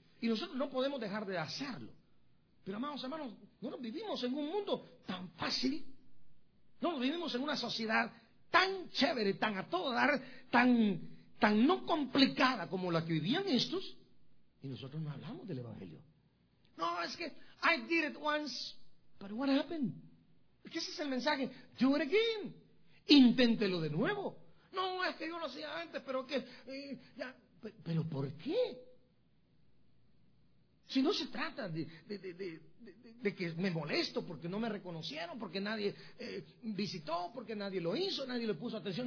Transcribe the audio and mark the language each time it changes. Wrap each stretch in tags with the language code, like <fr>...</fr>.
<es>Y nosotros no podemos dejar de hacerlo. Pero amados hermanos, no nos vivimos en un mundo tan fácil, no nos vivimos en una sociedad tan chévere, tan a todo dar, tan no complicada como la que vivían estos, y nosotros no hablamos del evangelio. No, es que</es> <en>I did it once, but what happened?</en> <es>Es que ese es el mensaje.</es> <en>Do it again.</en> <es>Inténtelo de nuevo. No, es que yo lo hacía antes, pero que ya. Pero ¿por qué? Si no se trata de que me molesto porque no me reconocieron, porque nadie visitó, porque nadie lo hizo, nadie le puso atención.</es>